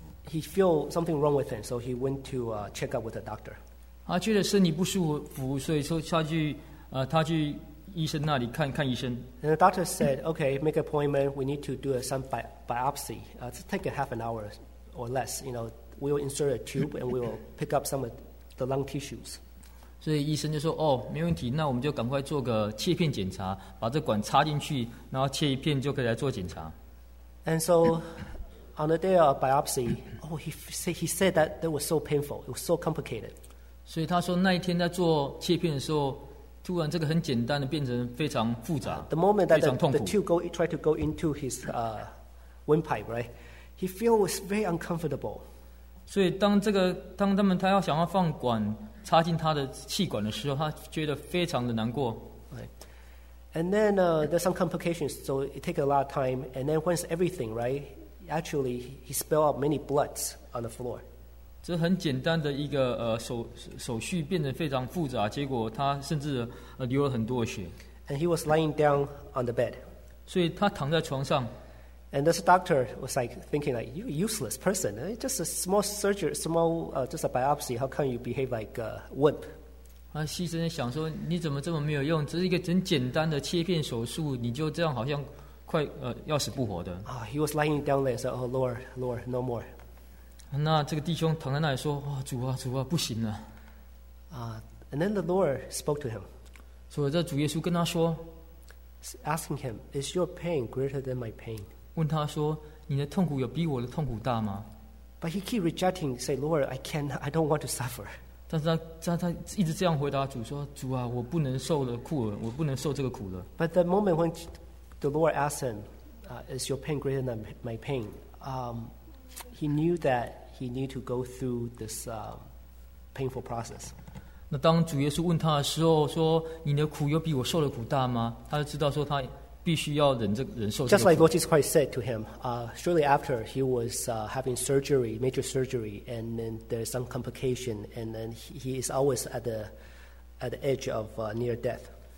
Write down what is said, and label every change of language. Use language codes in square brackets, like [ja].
[en] He feel something wrong with him, so he went to check up with a doctor. [zh] 他觉得身体不舒服，所以说他去医生那里看医生。 [en] And the doctor said, okay, make an appointment. We need to do some biopsy. It take a half an hour or less, you know. We will insert a tube and we will pick up some of the lung tissues. [zh] 所以医生就说：“哦，没问题，那我们就赶快做个切片检查，把这管插进去，然后切一片就可以来做检查。” [en] And so, on the day of biopsy, he said that was so painful, it was so complicated. [zh] 所以他说那一天在做切片的时候，突然这个很简单的变成非常复杂，非常痛苦。 [en] The moment that the tube tried to go into his windpipe, right? He feels very uncomfortable. [zh] 所以当他们他要想要放管插进他的气管的时候，他觉得非常的难过。 [en] Right. And then there's some complications, so it takes a lot of time. And then once everything right, actually he spilled out many bloods on the floor. [zh] 这很简单的一个手续变得非常复杂，结果他甚至流了很多血。 [en] And he was lying down on the bed. [zh] 所以他躺在床上。 [en] And this doctor was like thinking, like, you're a useless person. It's just a small surgery, just a biopsy. How come you behave like a wimp? [zh] 医生想说你怎么这么没有用？这是一个很简单的切片手术，你就这样好像快要死不活的。 [en] He was lying down there, said, "Oh Lord, no more." [zh] 那这个弟兄躺在那里说，哦，主啊，主啊，不行了。 [en] And then the Lord spoke to him. [zh] 所以这主耶稣跟他说 [en] ，asking him, "Is your pain greater than my pain?" [zh] 问他说, 你的痛苦有比我的痛苦大吗? [en] But he keep rejecting, say, Lord, I can't, I don't want to suffer. [zh] 但是他一直这样回答主说, 主啊, 我不能受了苦了, 我不能受这个苦了。 [en] But the moment when the Lord asked him, is your pain greater than my pain? He knew that he needed to go through this painful process. [zh] 那当主耶稣问他的时候说, 你的苦有比我受的苦大吗? 他就知道说他 [en] Just like Lord Jesus Christ said to him, shortly after he was having surgery, major surgery, and then there's some complication, and then he is always at the edge of near death.